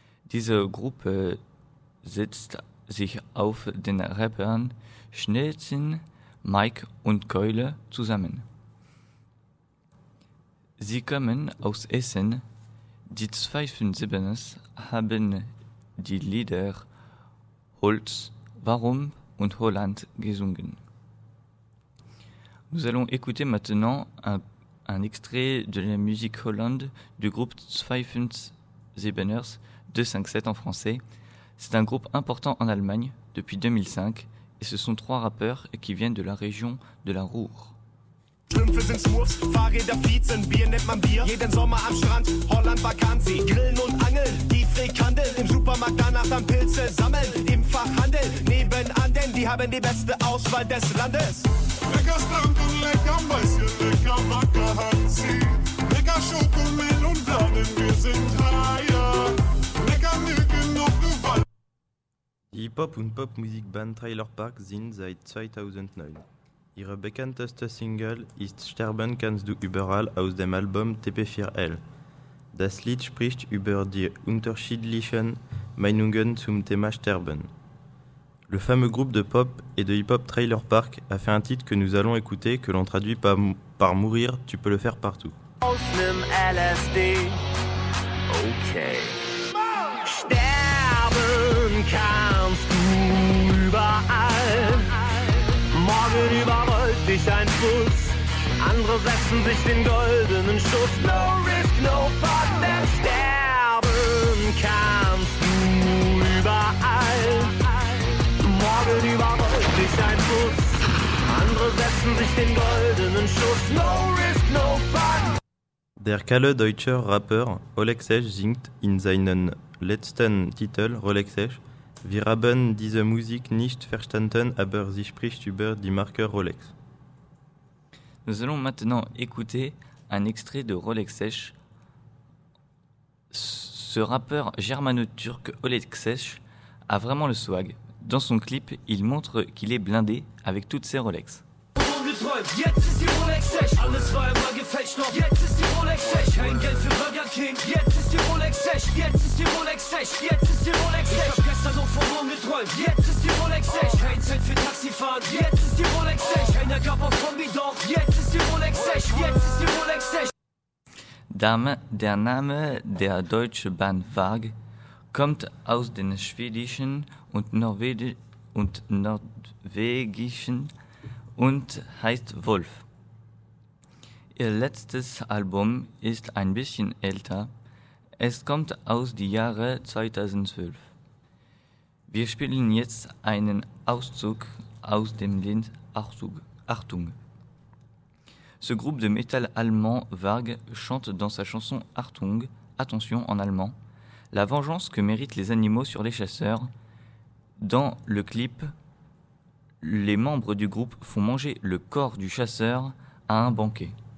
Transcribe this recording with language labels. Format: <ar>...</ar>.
<de>Diese Gruppe setzt sich auf den Rappern Schnellzinn, Mike und Keule zusammen. Sie kommen aus Essen. Die 257ers haben die Lieder Holz, Warum und Holland gesungen.</de> <fr>Nous allons écouter maintenant un extrait de la musique hollande du groupe 257ers, 257 en français. C'est un groupe important en Allemagne depuis 2005 et ce sont trois rappeurs qui viennent de la région de la Ruhr.</fr> <de>Schlümpfe sind Smurfs, Fahrräder fließen, Bier nennt man Bier. Jeden Sommer am Strand, Holland Vakanzi. Grillen und Angeln, die Frikandel. Im Supermarkt danach dann Pilze sammeln. Im Fachhandel, nebenan, denn die haben die beste Auswahl des Landes. Lecker Strand und lecker Mäuschen, lecker Vakanzi. Lecker Schokomel und Bladen, wir sind Haier. Lecker Nüken und du Wald. Die Pop- und Popmusikband Trailer Park sind seit 2009. Ihre bekannteste Single ist Sterben kannst du überall aus dem Album TP4L. Das Lied spricht über die unterschiedlichen Meinungen zum Thema Sterben.</de> <fr>Le fameux groupe de pop et de hip-hop Trailer Park a fait un titre que nous allons écouter, que l'on traduit par mourir, tu peux le faire partout.</fr> <de>Aus nem LSD. Okay. Sterben kannst du überall. Morgen überrollt dich ein Fuß, andere setzen sich den goldenen Schuss.</de> <en>No risk, no fuck,</en> <de>denn sterben kannst du überall. Morgen überrollt dich ein Fuß, andere setzen sich den goldenen Schuss.</de> <en>No risk, no fuck.</en> <de>Der kalle deutsche Rapper Olexesh singt in seinen letzten Titel Olexesh: Wir haben diese Musik nicht verstanden, aber sie spricht über die Marke Rolex.</de> <fr>Nous allons maintenant écouter un extrait de Olexesh. Ce rappeur germano-turc Olexesh a vraiment le swag. Dans son clip, il montre qu'il est blindé avec toutes ses Rolex.</fr> <de>Jetzt ist die Rolex-Sesh. Alles war immer gefälscht, doch jetzt ist die Rolex-Sesh. Kein Geld für Burger King. Jetzt ist die Rolex-Sesh. Jetzt ist die Rolex-Sesh. Jetzt ist die Rolex-Sesh. Ich hab gestern noch vom Morgen geträumt. Jetzt ist die Rolex-Sesh. Kein Zeit für Taxifahren. Jetzt ist die Rolex-Sesh. Keiner gab auf Kombi, doch jetzt ist die Rolex-Sesh. Jetzt ist die Rolex-Sesh. Der Name der deutschen Band Varg kommt aus den schwedischen und norwegischen und heißt Wolf. Ihr letztes Album ist ein bisschen älter. Es kommt aus den Jahren 2012. Wir spielen jetzt einen Auszug aus dem Lied Achtung.</de> <fr>Ce groupe de metal allemand Varg chante dans sa chanson Achtung, attention en allemand, la vengeance que méritent les animaux sur les chasseurs. Dans le clip, les membres du groupe font manger le corps du chasseur à un banquet.</fr>